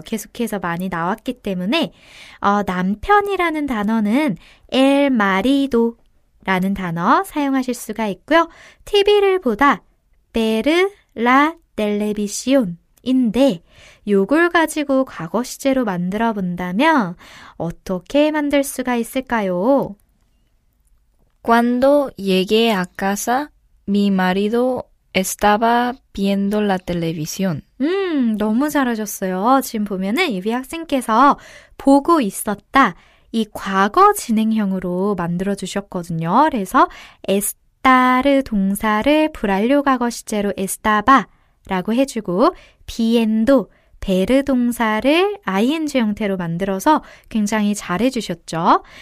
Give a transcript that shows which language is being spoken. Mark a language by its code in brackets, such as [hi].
[ko] 계속해서 많이 나왔기 때문에 남편이라는 단어는 el marido 라는 단어 사용하실 수가 있고요. TV를 보다 베르 라 텔레비시온인데 요걸 가지고 과거 시제로 만들어 본다면 어떻게 만들 수가 있을까요? [es] Cuando llegué a casa, mi marido estaba viendo la televisión. [ko] 너무 잘하셨어요. 지금 보면은 유비 학생께서 보고 있었다. 이 과거 진행형으로 만들어 주셨거든요. 그래서 estar 동사를 불완료 과거 시제로 estaba 라고 해주고 비엔도 베르 동사를 ing 형태로 만들어서 굉장히 잘해주셨죠.